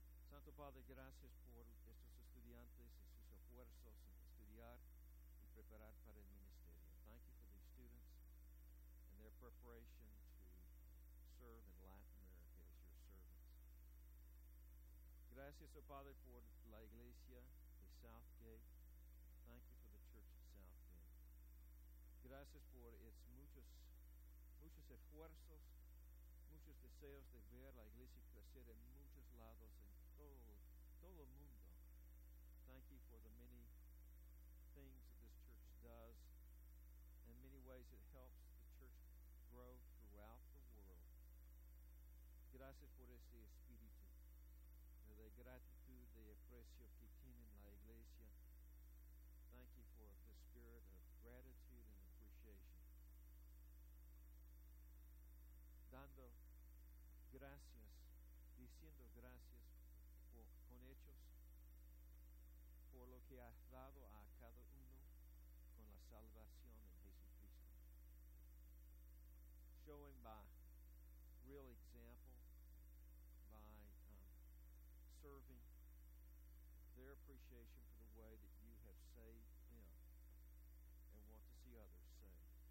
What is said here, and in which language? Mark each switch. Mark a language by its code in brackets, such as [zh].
[es] Santo Padre, gracias por estos estudiantes y sus esfuerzos en estudiar y preparar para el ministerio. [en] Thank you for these students and their preparation to serve in Latin America as your servants. [es] Gracias, oh Padre, por la iglesia. Southgate. [en] Thank you for the church at Southgate. [es] Gracias por its muchos esfuerzos, muchos deseos de ver la iglesia crecer en muchos lados en todo el mundo. [en] Thank you for the many things that this church does and many ways it helps the church grow throughout the world. [es] Gracias por ese espíritu. De gratitud, de aprecio que tienen la iglesia. [en] Thank you for the spirit of gratitude and appreciation. [es] Dando gracias, diciendo gracias con hechos por lo que has dado a cada uno con la salvación en Jesucristo. [en] Showing by real example, by serving their appreciation for the way that you have saved them and want to see others saved.